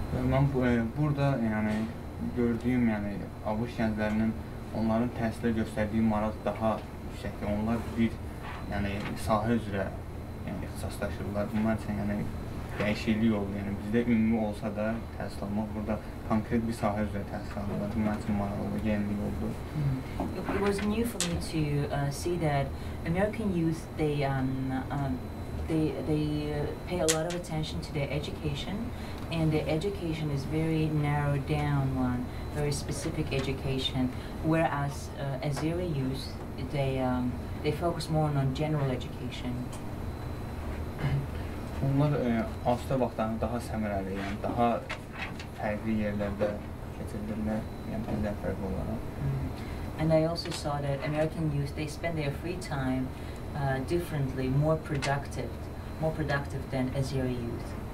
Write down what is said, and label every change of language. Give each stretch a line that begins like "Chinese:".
Azerbaijani: Mən burada yani gördüğüm yani ABŞ gənclərinin onların təhsilə göstərdiyi maraq daha yüksəkdir. Onlar bir yani sahə üzrə yani ixtisaslaşırlar. Bunlar üçün yani dəyişiklik oldu. Yani bizdə ümumi olsa da təhsil almaq burada konkret bir sahə üzrə təhsil almaq bunlar üçün maraqlı yenilik oldu.
English: It was new for me to see that American youth they pay a lot of attention to their education. And the education is very narrowed down one, very specific education, whereas Azeri youth, they focus more on general education.
Azerbaijani: Onlar asudə vaxtlarını daha səmərəli, yani daha fərqli yerlərdə keçirdirlər, yani bizdən fərqli olaraq.
English: And I also saw that American youth, they spend their free time differently, more productive than Azeri youth.